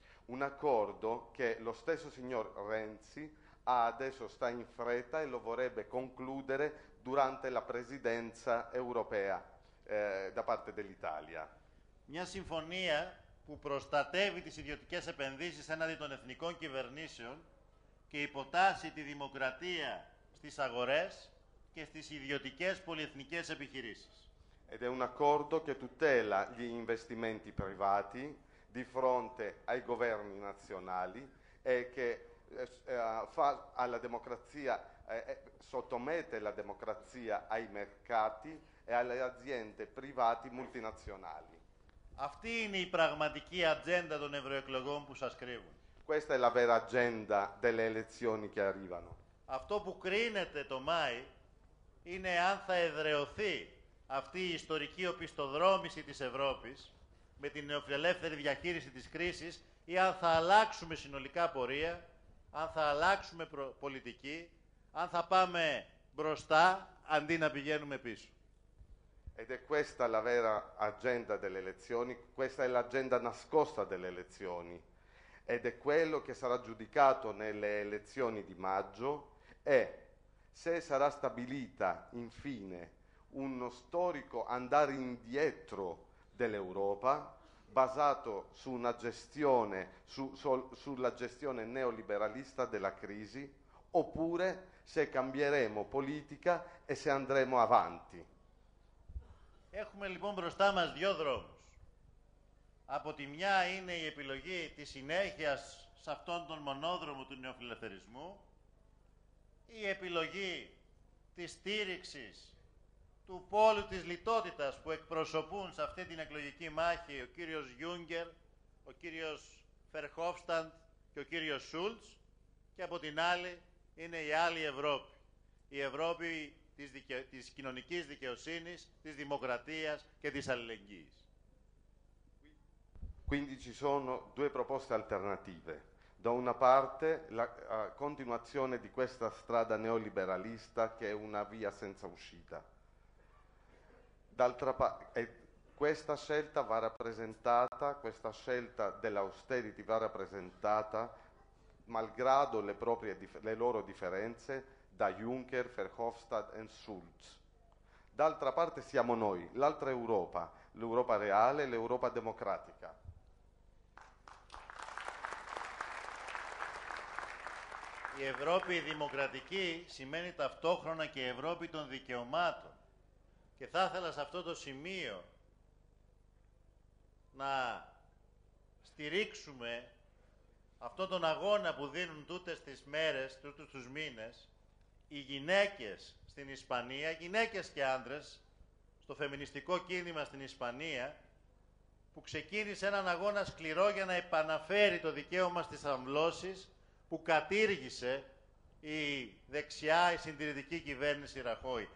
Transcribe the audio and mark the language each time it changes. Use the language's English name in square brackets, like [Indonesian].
[Italian] Un accordo che lo stesso signor Renzi adesso sta in fretta e lo vorrebbe concludere durante la presidenza europea da parte dell'Italia. [Greek] Μια συμφωνία που προστατεύει τις ιδιωτικές επενδύσεις έναντι των εθνικών κυβερνήσεων και υποτάσσει τη δημοκρατία στις αγορές και στις ιδιωτικές πολυεθνικές επιχειρήσεις. [Italian] Ed è un accordo che tutela gli investimenti privati di fronte ai governi nazionali e che fa alla democrazia, sottomette la democrazia ai mercati e alle aziende private multinazionali. [Greek] Αυτή είναι η πραγματική ατζέντα των ευρωεκλογών που σας κρύβουν. [Italian] Questa è la vera agenda delle elezioni che arrivano. [Greek] Αυτό που κρίνεται το Μάη είναι αν θα εδρεωθεί αυτή η ιστορική οπισθοδρόμηση της Ευρώπης με την νεοφιλελεύθερη διαχείριση της κρίσης ή αν θα αλλάξουμε συνολικά πορεία, αν θα αλλάξουμε πολιτική, αν θα πάμε μπροστά αντί να πηγαίνουμε πίσω. [Italian] Ed è questa la vera agenda delle elezioni, questa è l'agenda nascosta delle elezioni ed è quello che sarà giudicato nelle elezioni di maggio e se sarà stabilita infine uno storico andare indietro dell'Europa basato su una gestione, sulla gestione neoliberalista della crisi oppure se cambieremo politica e se andremo avanti. [Greek] Έχουμε λοιπόν μπροστά μας δύο δρόμους. Από τη μια είναι η επιλογή της συνέχειας σε αυτόν τον μονόδρομο του νεοφιλελευθερισμού, η επιλογή της στήριξης του πόλου της λιτότητας που εκπροσωπούν σε αυτή την εκλογική μάχη ο κύριος Γιούγκερ, ο κύριος Φερχόφσταντ και ο κύριος Σούλτς και από την άλλη είναι η άλλη Ευρώπη. Η Ευρώπη της κοινωνικής δικαιοσύνης, της δημοκρατίας και της αλληλεγγύης. [Italian] Quindi ci sono due proposte alternative. Da una parte la continuazione di questa strada neoliberalista che è una via senza uscita. D'altra parte questa scelta va rappresentata, questa scelta dell'austerity va rappresentata malgrado le loro differenze da Juncker, Verhofstadt e Schulz. D'altra parte siamo noi, l'altra Europa, l'Europa reale, l'Europa democratica. [Greek] Η Ευρώπη δημοκρατική σημαίνει ταυτόχρονα και η Ευρώπη των δικαιωμάτων. Και θα ήθελα σε αυτό το σημείο να στηρίξουμε αυτόν τον αγώνα που δίνουν τούτες τις μέρες, τούτους τους μήνες, οι γυναίκες στην Ισπανία, γυναίκες και άντρες, στο φεμινιστικό κίνημα στην Ισπανία, που ξεκίνησε έναν αγώνα σκληρό για να επαναφέρει το δικαίωμα στις αμβλώσεις, που κατήργησε η δεξιά, η συντηρητική κυβέρνηση Ραχώη.